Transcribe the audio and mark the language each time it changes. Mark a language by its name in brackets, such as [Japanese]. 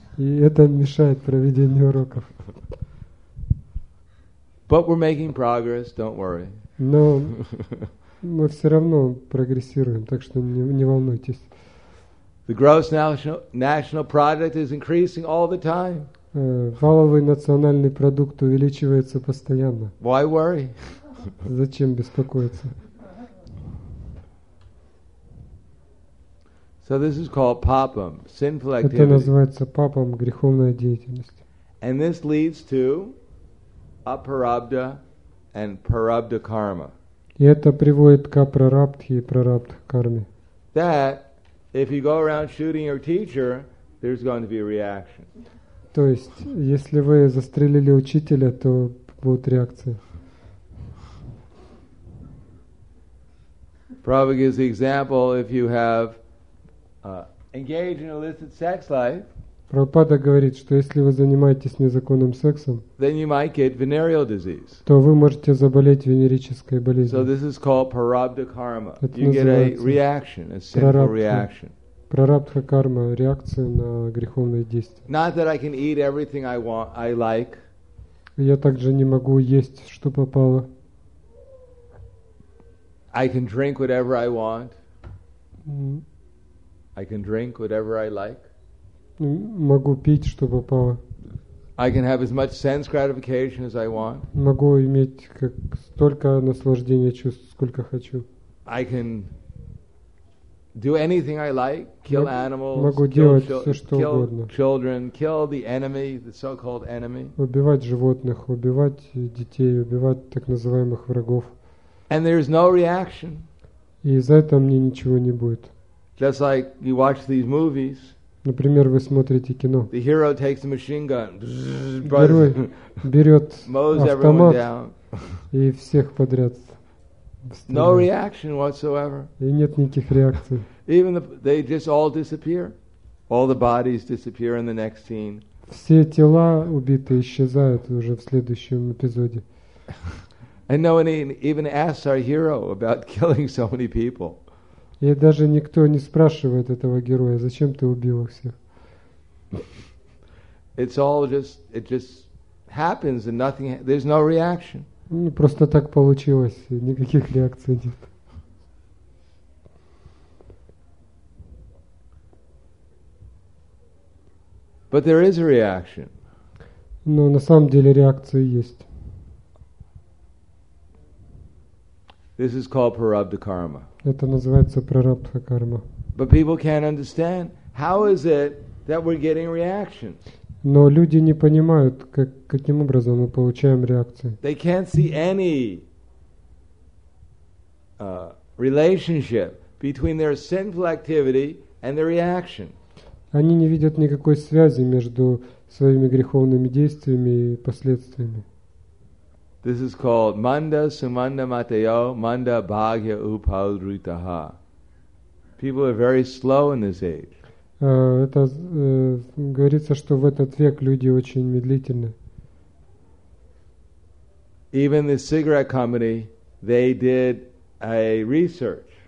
[Russian] И это мешает проведению уроков. [English] But we're making progress, don't worry. [Russian] Но мы все равно прогрессируем, так что не волнуйтесь. [English] The gross national product is increasing all the time. [Russian] Валовый национальный продукт увеличивается постоянно. [English] Why worry? [Russian] Зачем беспокоиться? [English] So this is called papam, sinful activity. [Russian] Это называется папам, греховная деятельность. [English] And this leads to aparabdha and parabdha karma. [Russian] И это приводит к апрарабдхе и прарабдха карме. [English] That if you go around shooting your teacher, there's going to be a reaction. [Russian] То есть, если вы застрелили учителя, то будет реакция. [English] Prabhupada gives the example if you have engaged in illicit sex life. [Russian] Прабхупада говорит, что если вы занимаетесь незаконным сексом, [English] then you might get venereal disease. [Russian] То вы можете заболеть венерической болезнью. [English] So this is called parabdha karma. You get a reaction, a sinful reaction. [Russian] Прарабдха карма – реакция на греховные действия. [English] Not that I can eat everything I want, I like. [Russian] Я также не могу есть, что попало. [English] I can drink whatever I want. I can drink whatever I like. [Russian] Могу пить, что попало. [English] I can have as much sense gratification as I want. [Russian] Могу иметь как столько наслаждения чувств, сколько хочу. [English] I can do anything I like, kill animals, [Russian] могу делать все, что угодно. [English] Kill children, kill the enemy, the so-called enemy. [Russian] Убивать животных, убивать детей, убивать так называемых врагов. [English] And there is no reaction. [Russian] И за это мне ничего не будет. [English] Just like you watch these movies. [Russian] Например, вы смотрите кино. [English] The hero takes a machine gun. [Russian] Герой берет автомат и всех подряд. [English] No reaction whatsoever. [Russian] И нет никаких реакций. [English] Even they just all disappear. All the bodies disappear in the next scene. [Russian] Все тела убитые исчезают уже в следующем эпизоде. [English] And no one even asks our hero about killing so many people. [Russian] И даже никто не спрашивает этого героя, зачем ты убил их всех. [English] It's all just, it just happens and nothing, there's no reaction. [Russian] Ну, просто так получилось, никаких реакций нет. [English] But there is a reaction. [Russian] Но на самом деле реакция есть. [English] This is called parabdha karma. [Russian] Это называется прарабдха карма. [English] But people can't understand how is it that we're getting reactions. [Russian] Но люди не понимают, как, каким образом мы получаем реакции. [English] They can't see any relationship between their sinful activity and their reaction. [Russian] Они не видят никакой связи между своими греховными действиями и последствиями. [English] This is called [Sanskrit] manda sumanda matayo manda bhagya upadritaha. [English] People are very slow in this age. [Russian] Это говорится, что в этот век люди очень медлительны. [English] Even the cigarette company, they did a research.